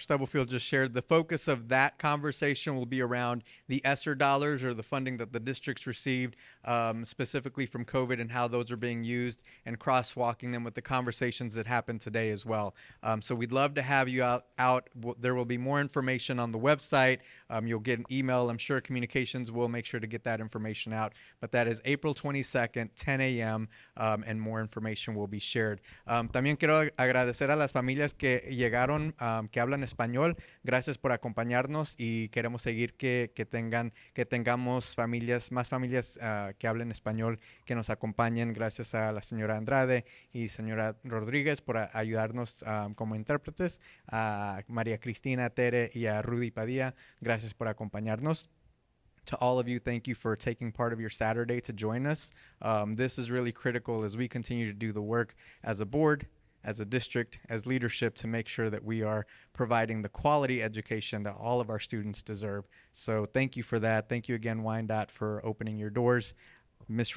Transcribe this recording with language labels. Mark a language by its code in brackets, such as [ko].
[en] Stubblefield just shared the focus of that conversation will be around the ESSER dollars or the funding that the districts received specifically from COVID and how those are being used and crosswalking them with the conversations that happened today as well. So we'd love to have you out. There will be more information on the website. You'll get an email. I'm sure communications will make sure to get that information out. But that is April 22nd, 10 a.m., and more information will be shared. [es] También quiero agradecer a las familias que llegaron que hablan español. Gracias por acompañarnos y queremos seguir que tengamos familias, más familias que hablen español que nos acompañen. Gracias a la señora Andrade y señora Rodríguez por ayudarnos como intérpretes, a María Cristina, Tere y a Rudy Padilla. Gracias por acompañarnos. [en] To all of you, thank you for taking part of your Saturday to join us. This is really critical as we continue to do the work as a board, as a district, as leadership, to make sure that we are providing the quality education that all of our students deserve. So thank you for that. Thank you again, Wyandotte, for opening your doors. Ms.